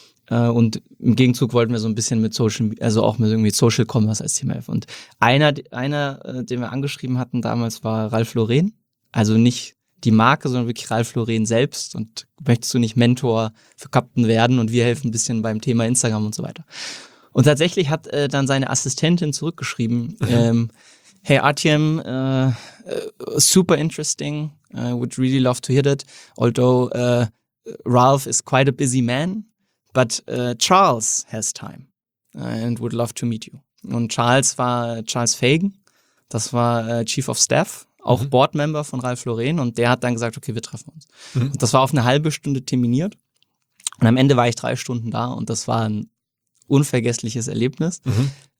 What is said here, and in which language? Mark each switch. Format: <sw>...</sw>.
<de>Und im Gegenzug wollten wir so ein bisschen mit Social, also auch mit irgendwie Social Commerce als Thema helfen. Und einer, den wir angeschrieben hatten damals, war Ralf Lauren. Also nicht, die Marke, sondern wirklich Ralph Lauren selbst. Und möchtest du nicht Mentor für Captain werden und wir helfen ein bisschen beim Thema Instagram und so weiter. Und tatsächlich hat dann seine Assistentin zurückgeschrieben, hey Artyom,</de> <en>super interesting, I would really love to hear that, although Ralph is quite a busy man, but Charles has time and would love to meet you.</en> <de>Und Charles war Charles Fagan, das war Chief of Staff, auch Boardmember von Ralph Lauren, und der hat dann gesagt, okay, wir treffen uns. Mhm. Und das war auf eine halbe Stunde terminiert und am Ende war ich 3 Stunden da und das war ein unvergessliches Erlebnis. Mhm.</de>